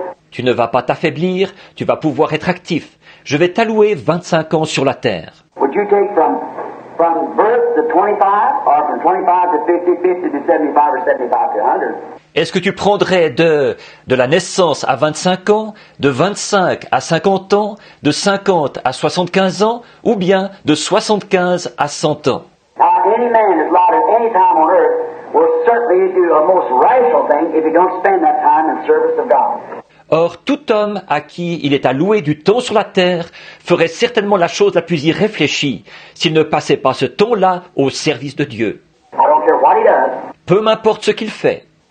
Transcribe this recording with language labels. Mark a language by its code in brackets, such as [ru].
[fr] Tu ne vas pas t'affaiblir, tu vas pouvoir être actif. Je vais t'allouer 25 ans sur la terre. [en] Would you take from birth to 25, or from 25 to 50, 50 to 75, or 75 to 100? [fr] Est-ce que tu prendrais de la naissance à 25 ans, de 25 à 50 ans, de 50 à 75 ans, ou bien de 75 à 100 ans? [en] Any man that's lauded any time on earth will certainly do a most rational thing if he don't spend that time in service of God. [fr] Or, tout homme à qui il est alloué du temps sur la terre ferait certainement la chose la plus irréfléchie s'il ne passait pas ce temps-là au service de Dieu. [en] I don't care what he does. [fr] Peu m'importe ce qu'il fait.